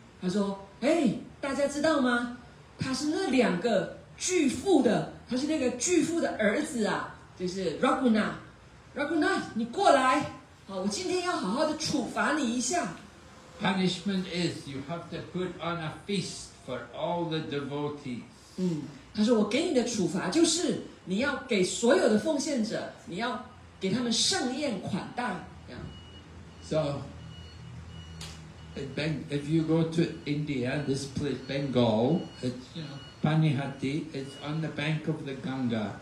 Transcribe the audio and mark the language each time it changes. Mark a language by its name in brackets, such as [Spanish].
[Chinese] 他说，哎，大家知道吗？他是那两个巨富的。他是那个巨富的儿子啊，就是 Raghunath 你过来，好，我今天要好好的处罚你一下。 [English] Punishment is you have to put on a feast for all the devotees、 [Chinese] 他说我给你的处罚就是你要给所有的奉献者，你要给他们盛宴款待这样。 [English] So if you go to India, this place Bengal, it's you knowPanihati is on the bank of the Ganga.